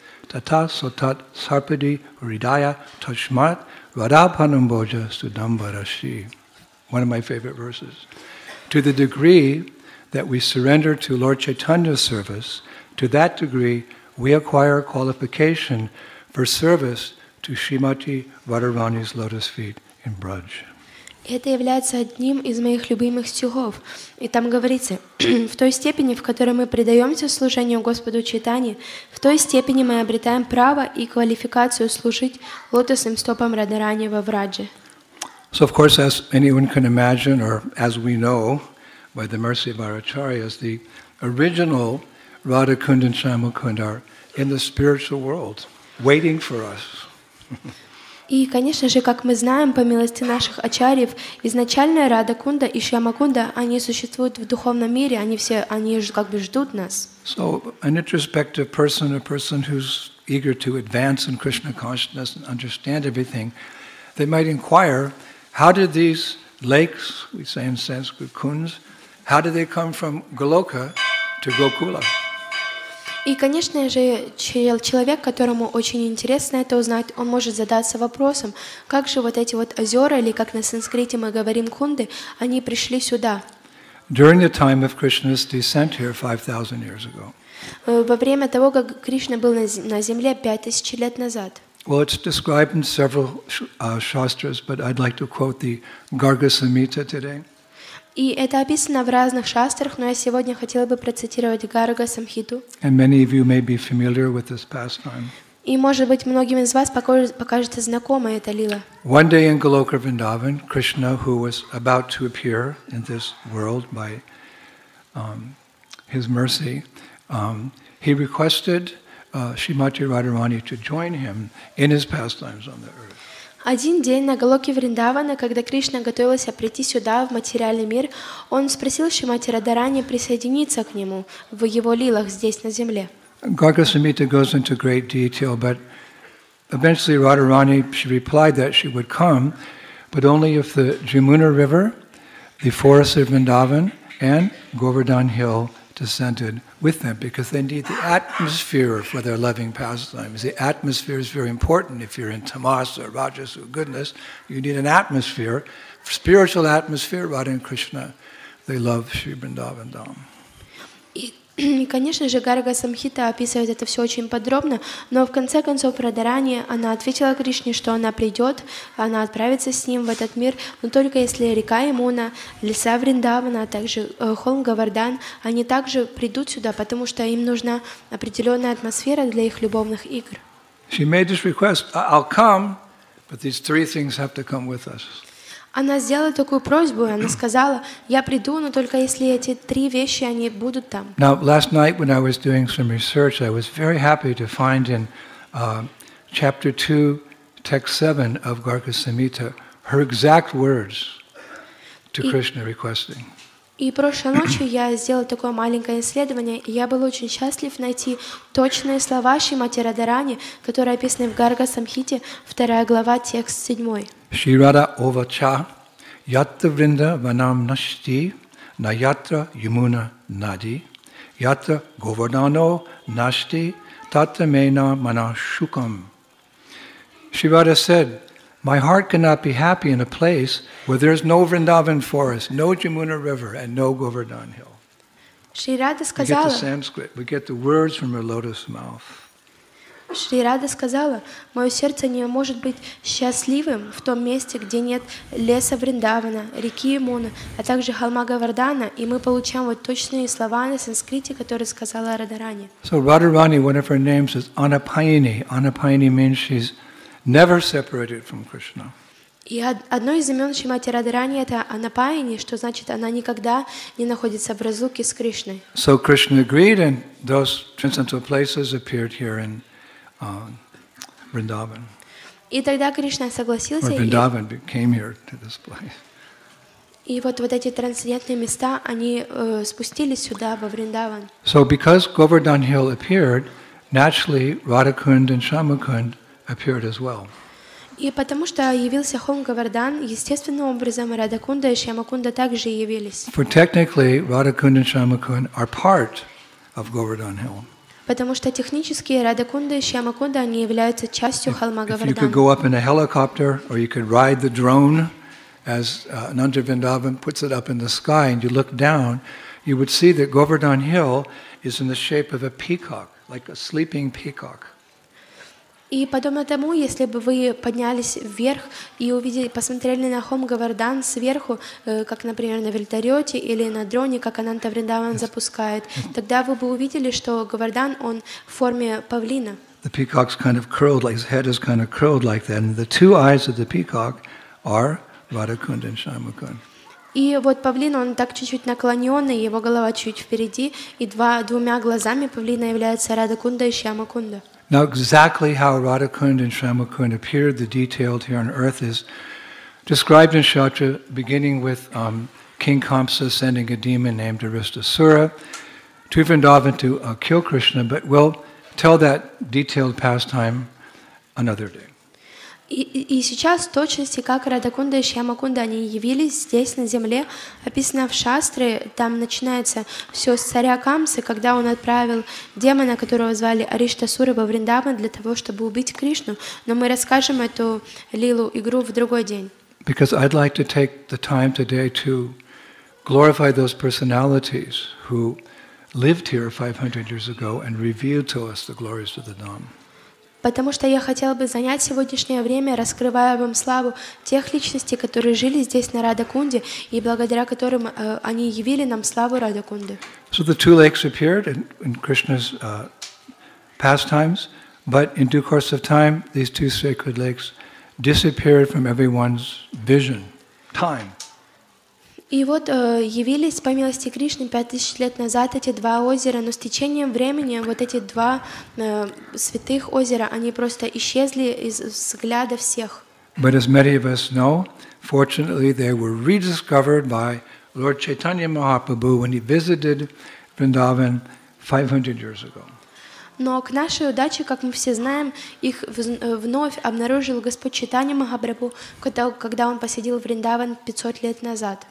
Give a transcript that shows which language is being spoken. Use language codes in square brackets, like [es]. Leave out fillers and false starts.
[sa] Tata sotat sarpadi ridaya tashmat radapanam boja sudambarashi. [en] One of my favorite verses. To the degree that we surrender to Lord Chaitanya's service, to that degree we acquire qualification for service to Srimati Radharani's lotus feet in Braj. [ru] Это является одним из моих любимых стихов. И там говорится, в той степени, в которой мы предаемся служению Господу Чайтанье, в той степени мы обретаем право и квалификацию служить лотосным стопам Радарани во Врадже. [en] So, of course, as anyone can imagine, or as we know, by the mercy of our Acharyas, the original Radha Kund and Shyamakund are in the spiritual world, waiting for us. [ru] И, конечно же, как мы знаем, по милости наших ачарьев, изначальная Рада Кунда и Шьямакунда, они существуют в духовном мире, они все, они как бы ждут нас. [en] So, an introspective person, a person who's eager to advance in Krishna consciousness and understand everything, they might inquire, how did these lakes, we say in Sanskrit, kunds, how did they come from Goloka to Gokula? [ru] И, конечно же, человек, которому очень интересно это узнать, он может задаться вопросом, как же вот эти вот озера, или как на санскрите мы говорим кунды, они пришли сюда. [en] During the time of Krishna's descent here 5,000 years ago. [ru] Во время того, как Кришна был на земле 5,000 лет назад. [en] Well, it's described in several shastras, but I'd like to quote the Garga Samhita today. [ru] И это описано в разных шастрах, но я сегодня хотела бы процитировать Гарга Самхиту. [en] And many of you may be familiar with this pastime. [ru] И, может быть, многим из вас покажется знакомой эта лила. [en] One day in Goloka Vrindavan, Krishna, who was about to appear in this world by his mercy, he requested Srimati Radharani to join him in his pastimes on the earth. [ru] Один день на Голоке Вриндавана, когда Кришна готовился прийти сюда, в материальный мир, он спросил Шримати Радарани присоединиться к нему в его лилах здесь, на земле. [en] Garga Samhita goes into great detail, but eventually Radharani, she replied that she would come, but only if the Jamuna River, the forests of Vrindavan, and Govardhan Hill descended with them, because they need the atmosphere for their loving pastimes. The atmosphere is very important. If you're in tamas or rajas or goodness, you need an atmosphere, spiritual atmosphere. Radha and Krishna, they love Sri Vrindavan Dham. [ru] И, конечно же, Гарга Самхита описывает это все очень подробно, но в конце концов Радарани, она ответила Кришне, что она придет, она отправится с ним в этот мир, но только если река Ямуна, леса Вриндавана, а также холм Говардан, они также придут сюда, потому что им нужна определенная атмосфера для их любовных игр. [en] She made this request, I'll come, but these three things have to come with us. [ru] Она сделала такую просьбу, и она сказала, я приду, но только если эти три вещи, они будут там. [en] Now, last night, when I was doing some research, I was very happy to find in chapter 2, text 7 of Garga Samhita, her exact words to Krishna requesting. [ru] И прошлой ночью я сделала такое маленькое исследование, и я был очень счастлив найти точные слова Шримати Радарани, которые описаны в Гарга Самхите, 2 глава, текст 7. [sa] Shirada Ovacha, Yatra Vrinda Vanam Nashti, Nayatra Yamuna Nadi, Yatra Govardhano Nashti, Tata Mena Manashukam. [en] Shirada said, my heart cannot be happy in a place where there is no Vrindavan forest, no Yamuna River, and no Govardhan Hill. [ru] Shirada сказала, [en] we get the Sanskrit, we get the words from her lotus mouth. [ru] Шри Рада сказала, мое сердце не может быть счастливым в том месте, где нет леса Вриндавана, реки Ямуны, а также холма Говардана, и мы получаем вот точные слова на санскрите, которые сказала Радарани. [en] So Radharani, one of her names is Anapayini. Anapayini means she's never separated from Krishna. [ru] И одно из имен Шримати Радарани это Анапайини, что значит она никогда не находится в разлуке с Кришной. [en] So Krishna agreed, and those transcendental places appeared here in Vrindavan. [ru] И тогда Кришна согласился. [en] Vrindavan came here to this place. [ru] И вот эти трансцендентные места, они спустились сюда во Вриндаван. [en] So because Govardhan Hill appeared, naturally Radhakund and Shyamakund appeared as well. [ru] И потому что явился холм Говардан, естественным образом Радхакунда и Шьямакунда также явились. [en] For technically, Radhakund and Shyamakund are part of Govardhan Hill. [ru] Потому что технически Радхакунда и Шьямакунда они являются частью холма Говардан. [en] If you could go up in a helicopter or you could ride the drone, as Ananda Vrindavan puts it up in the sky, and you look down, you would see that Govardhan Hill is in the shape of a peacock, like a sleeping peacock. [ru] И подобно тому, если бы вы поднялись вверх и увидели, посмотрели на холм Говардан сверху, как, например, на вертолете или на дроне, как Ананта Вриндаван запускает, тогда вы бы увидели, что Говардан, он в форме павлина. [en] The peacock's kind of curled, like his head is kind of curled like that, and the two eyes of the peacock are Radhakund and Shyamakund. [ru] И вот павлин, он так чуть-чуть наклоненный, его голова чуть впереди, и двумя глазами павлина являются Радхакунда и Шьямакунда. [en] Now exactly how Radhakund and Shyamakund appeared, the detailed here on earth, is described in Shatra, beginning with King Kamsa sending a demon named Aristasura to Vrindavan to kill Krishna, but we'll tell that detailed pastime another day. [ru] И сейчас в точности, как Радхакунда и Шьямакунда, они явились здесь, на земле, описано в Шастре, там начинается все с царя Камсы, когда он отправил демона, которого звали Ариштасура во Вриндаван, для того, чтобы убить Кришну. Но мы расскажем эту лилу, игру, в другой день. [en] Because I'd like to take the time today to glorify those personalities who lived here 500 years ago and revealed to us the glories of the Dham. [ru] Потому что я хотела бы занять сегодняшнее время, раскрывая вам славу тех личностей, которые жили здесь на Радхакунде, и благодаря которым они явили нам славу Радхакунды. [en] So the two lakes appeared in Krishna's pastimes, but in due course of time, these two sacred lakes disappeared from everyone's vision, time. [ru] И вот явились, по милости Кришны, 5000 лет назад эти два озера, но с течением времени вот эти два святых озера, они просто исчезли из взгляда всех. [en] But as many of us know, fortunately they were rediscovered by Lord Chaitanya Mahaprabhu when he visited Vrindavan 500 years ago. [ru] Но к нашей удаче, как мы все знаем, их вновь обнаружил Господь Чайтанья Махапрабху, когда он посетил Вриндаван 500 лет назад.